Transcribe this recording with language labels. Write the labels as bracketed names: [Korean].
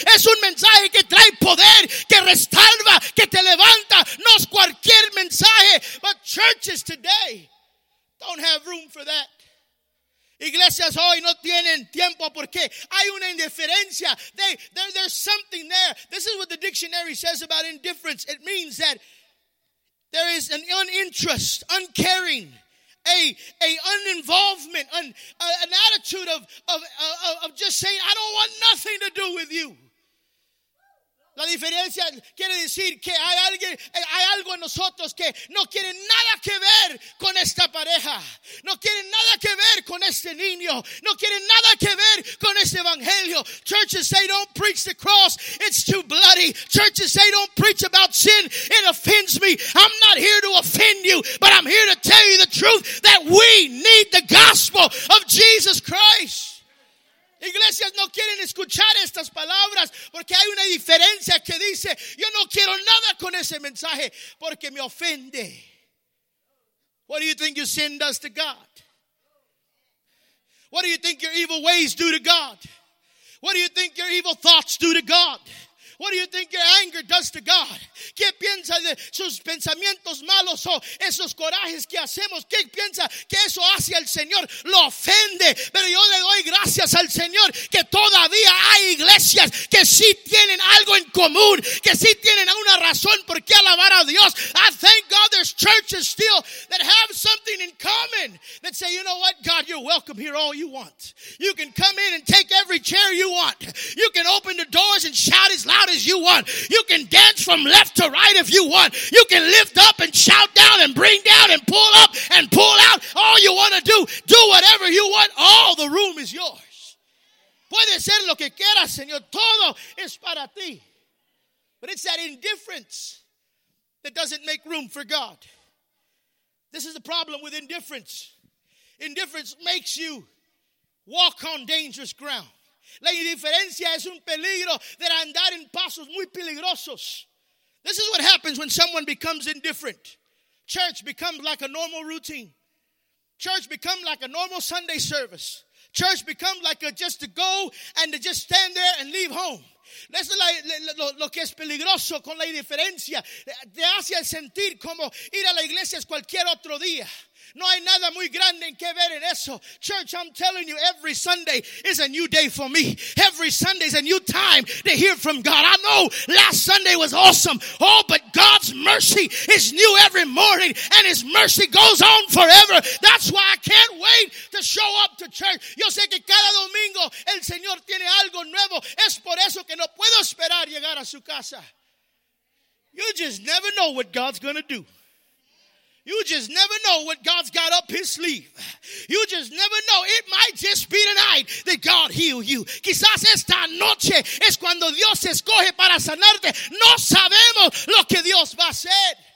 [Spanish] Es un mensaje que trae poder, que restaura, que te levanta. No es cualquier mensaje, [English] but churches today don't have room for that. [Spanish] Iglesias hoy no tienen tiempo porque hay una indiferencia. [English] There's something there. This is what the dictionary says about indifference. It means that there is an uninterest, uncaring, a uninvolvement, an attitude of just saying, I don't want nothing to do with you. [Spanish] La diferencia quiere decir que hay algo en nosotros que no quiere nada que ver con esta pareja. No quiere nada que ver con este niño. No quiere nada que ver con este evangelio. [English] Churches say don't preach the cross. It's too bloody. Churches say don't preach about sin. It offends me. I'm not here to offend you, but I'm here to tell you the truth that we need the gospel of Jesus Christ. [Spanish] Iglesias no quieren escuchar estas palabras porque hay una diferencia que dice, yo no quiero nada con ese mensaje porque me ofende. [English] What do you think your sin does to God? What do you think your evil ways do to God? What do you think your evil thoughts do to God? What do you think your anger does to God? [Spanish] ¿Qué piensa de sus pensamientos malos o esos corajes que hacemos? ¿Qué piensa que eso hace al Señor? Lo ofende. Pero yo le doy gracias al Señor que todavía hay iglesias que sí tienen algo en común, que sí tienen una razón por qué alabar a Dios. [English] I thank God there's churches still that have something in common that say, you know what, God, you're welcome here all you want. You can come in and take every chair you want. You can open the doors and shout as loud as you want. You can dance from left to right if you want. You can lift up and shout down and bring down and pull up and pull out. All you want to do, do whatever you want. All the room is yours. [Spanish] Puede ser lo que quieras, Señor. Todo es para ti. [English] But it's that indifference that doesn't make room for God. This is the problem with indifference. Indifference makes you walk on dangerous ground. [Spanish] La indiferencia es un peligro de andar en pasos muy peligrosos. [English] This is what happens when someone becomes indifferent. Church becomes like a normal routine. Church becomes like a normal Sunday service. Church becomes like a just to go and to just stand there and leave home. [Spanish] Eso es lo que es peligroso con la indiferencia. Te hace sentir como ir a la iglesia es cualquier otro día. No hay nada muy grande en que ver en eso. [English] Church, I'm telling you, every Sunday is a new day for me. Every Sunday is a new time to hear from God. I know last Sunday was awesome. Oh, but God's mercy is new every morning, and his mercy goes on forever. That's why I can't wait to show up to church. [Spanish] Yo sé que cada domingo el Señor tiene algo nuevo. Es por eso que no puedo esperar llegar a su casa. [English] You just never know what God's going to do. You just never know what God's got up his sleeve. You just never know. It might just be tonight that God heal you. [Spanish] Quizás esta noche es cuando Dios escoge para sanarte. No sabemos lo que Dios va a hacer.